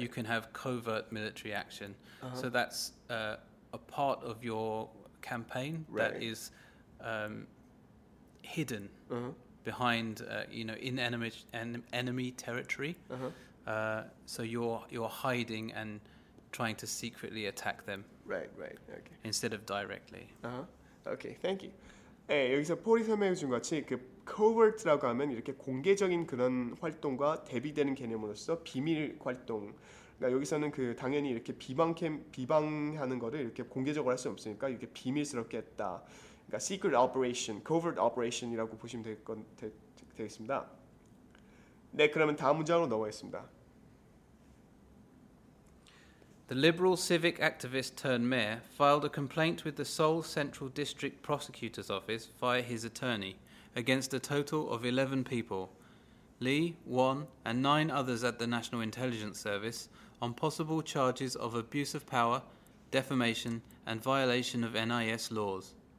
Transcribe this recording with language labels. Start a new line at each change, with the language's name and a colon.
English: you can have covert military action. Uh-huh. So that's a part of your campaign right. that is hidden uh-huh. behind, you know, in enemy territory. Uh-huh. So you're hiding and trying to secretly attack them. Right, right. Okay. Instead of directly. Uh-huh. Okay, thank you.
Korean: 네, 여기서 폴이 설명해 준 같이 그 covert라고 하면 이렇게 공개적인 그런 활동과 대비되는 개념으로서 비밀 활동. 그러니까 여기서는 그 당연히 이렇게 비방하는 거를 이렇게 공개적으로 할 수 없으니까 이렇게 비밀스럽게 했다. 그러니까
English: secret operation, covert operation
Korean: 이라고 보시면 되겠습니다. 네, 그러면 다음 문장으로 넘어가겠습니다.
English: The liberal civic activist turned mayor filed a complaint with the Seoul Central District Prosecutor's Office via his attorney against a total of 11 people, Lee, Won, and 9 others at the National Intelligence Service, on possible charges of abuse of power, defamation, and violation of NIS laws.